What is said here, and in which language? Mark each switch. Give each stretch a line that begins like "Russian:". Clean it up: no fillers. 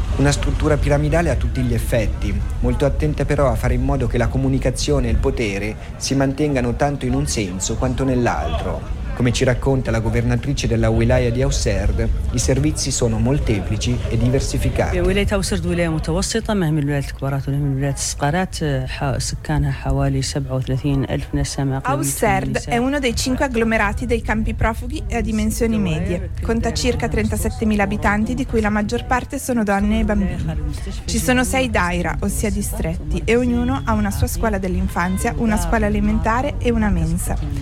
Italian: Una struttura piramidale a tutti gli effetti, molto attenta però a fare in modo che la comunicazione e il potere si mantengano tanto in un senso quanto nell'altro. Come ci racconta la governatrice della wilaya di Hausserd, i servizi sono molteplici e diversificati. La wilaya di Hausserd è una wilaya
Arabic: متوسطه مهما الولايات الكبار ولا الولايات الصغار سكانها حوالي 37000 نسمه.
Italian: Hausserd è uno dei 5 agglomerati dei campi profughi e a dimensioni medie. Conta circa 37000 abitanti, di cui la maggior parte sono donne e bambini. Ci sono 6 daira, ossia distretti, e ognuno ha una sua scuola dell'infanzia, una scuola elementare e una mensa.